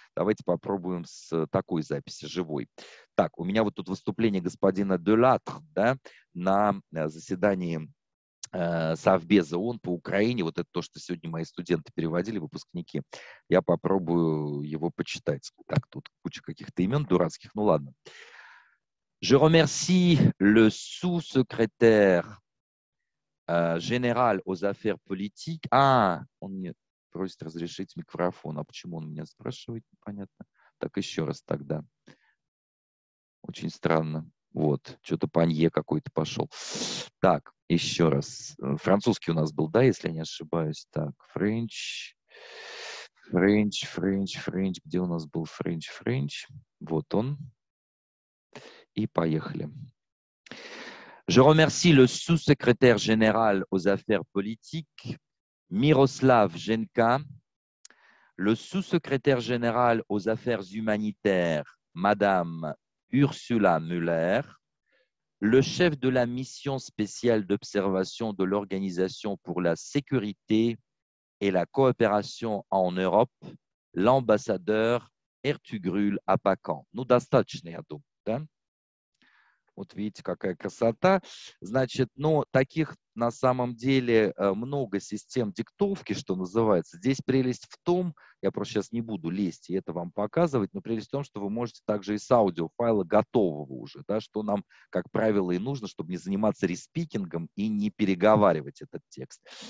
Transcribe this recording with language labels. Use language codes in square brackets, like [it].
[ru] Давайте попробуем с такой записи, живой. Так, у меня вот тут выступление господина Делатр, да, на заседании Совбеза ООН по Украине. Вот это то, что сегодня мои студенты переводили, выпускники. Я попробую его почитать. Так, тут куча каких-то имен дурацких, ну ладно. [fr] Je remercie le sous-secrétaire général aux affaires politiques. [ru] А, он мне просит разрешить микрофон. А почему он меня спрашивает, непонятно. Так, еще раз тогда. Очень странно. Вот, что-то панье какой-то пошел. Так, еще раз. Французский у нас был, да, если я не ошибаюсь. Так, French. French, French, French. Где у нас был French, French? Вот он. И поехали. [fr] Je remercie le sous-secrétaire général aux affaires politiques, Miroslav Zhenka, le sous-secrétaire général aux affaires humanitaires, Madame Ursula Müller, le chef de la mission spéciale d'observation de l'Organisation pour la sécurité et la coopération en Europe, l'ambassadeur Ertugrul Apakan. [ru] Ну, достаточно, я думаю, да? Вот видите, какая красота. Значит, ну, таких на самом деле много систем диктовки, что называется. Здесь прелесть в том, я просто сейчас не буду лезть и это вам показывать, но прелесть в том, что вы можете также и с аудиофайла готового уже, да, что нам, как правило, и нужно, чтобы не заниматься респикингом и не переговаривать этот текст.